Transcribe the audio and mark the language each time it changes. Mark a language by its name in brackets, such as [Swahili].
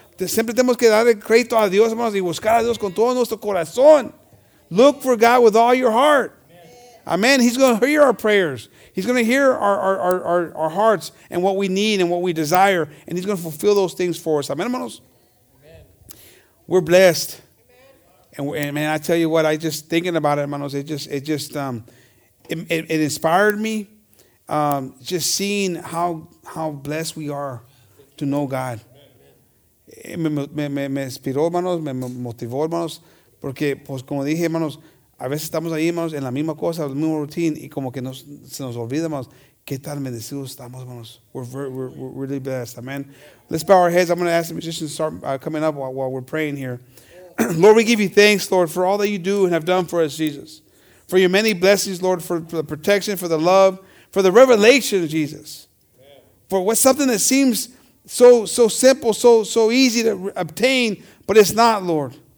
[Spanish] Siempre tenemos que dar el crédito a Dios, hermanos, y buscar a Dios con todo nuestro corazón. [English] Look for God with all your heart. Amen. He's going to hear our prayers. He's going to hear our hearts and what we need and what we desire. And he's going to fulfill those things for us. Amen, hermanos. Amen. We're blessed. Amen. And man, I tell you what, I just thinking about it, [Spanish] hermanos, [English] it inspired me. Just seeing how blessed we are to know God. [Spanish] Me inspiró, hermanos, me motivó, hermanos. Porque, pues, como dije, hermanos, a veces estamos ahí, hermanos, en la misma cosa, la misma routine, y como que se nos olvida, hermanos, qué tan bendecidos estamos, hermanos. [English] We're really blessed, amen. Let's bow our heads. I'm going to ask the musicians to start coming up while we're praying here. Lord, we give you thanks, Lord, for all that you do and have done for us, Jesus. For your many blessings, Lord, for the protection, for the love, for the revelation, Jesus. For what's something that seems so simple, so easy to obtain, but it's not, Lord.